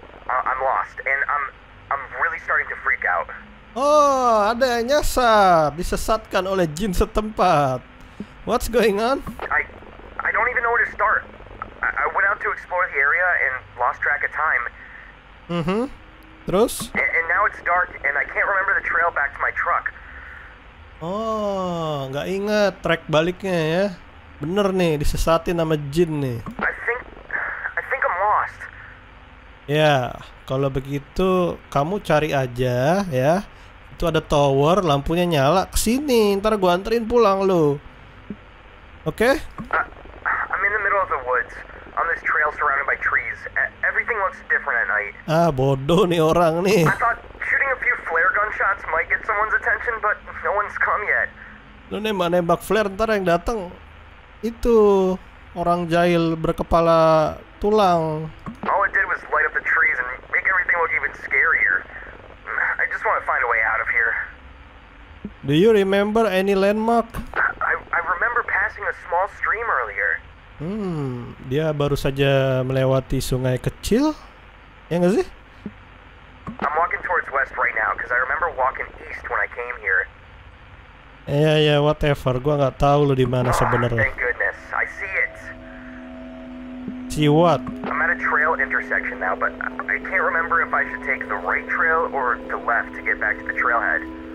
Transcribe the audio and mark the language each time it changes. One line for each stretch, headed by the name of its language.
English: I'm lost and I'm really starting to freak out.
Indonesian: Oh, ada yang nyasar, disesatkan oleh jin setempat.
English: What's going on? I don't even know where to start. I went out to explore the area and lost track of time.
Indonesian: Terus?
English: And now it's dark and I can't remember the trail back to my truck.
Indonesian: Oh, nggak ingat track baliknya ya? Bener nih, disesatin sama jin nih.
English: I think I'm lost.
Indonesian: Ya, kalau begitu kamu cari aja ya. Itu ada tower, lampunya nyala. Kesini, ntar gua anterin pulang lu. Oke?
English: Okay? I'm in the middle of the woods. On this trail surrounded by trees. Everything looks different at night.
Indonesian: Ah, bodoh nih orang nih.
English: I thought shooting a few flare gunshots might get someone's attention, but no one's come yet.
Indonesian: Lu nembak-nembak flare, ntar yang datang itu orang jahil berkepala tulang.
English: All it did was light up the trees and make everything look even scarier. I just want to find a way out of here. Do you remember any landmark? I remember passing a small stream earlier.
Indonesian: Dia baru saja melewati sungai kecil? Ya nggak sih?
English: I'm walking towards west right now because I remember walking east when I came here. Yeah, whatever.
Indonesian: Gua nggak tahu lu di mana sebenarnya.
English: Thank goodness, I see it. See what? I'm at a trail intersection now, but I can't remember if I should take the right trail or the left to get back to the trailhead.